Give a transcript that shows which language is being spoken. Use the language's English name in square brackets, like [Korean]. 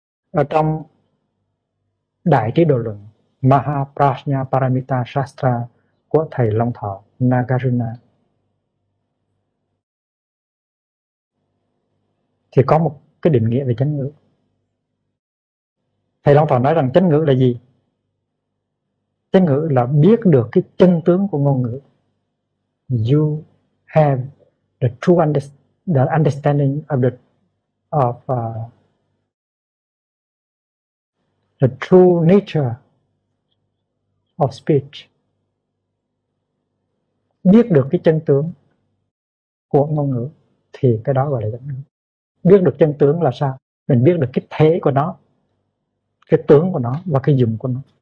[Vietnamese] Ở trong Đại Trí Độ Luận Mahaprajna Paramita Shastra của thầy Long Thọ Nagarjuna thì có một cái định nghĩa về chánh ngữ. Thầy Long Thọ nói rằng chánh ngữ là gì? Chánh ngữ là biết được cái chân tướng của ngôn ngữ. [English] You have the true understanding of the true nature of speech. [Vietnamese] Biết được cái chân tướng của ngôn ngữ thì cái đó gọi là chánh ngữ. Biết được chân tướng là sao? Mình biết được cái thế của nó, cái tướng của nó và cái dùng của nó.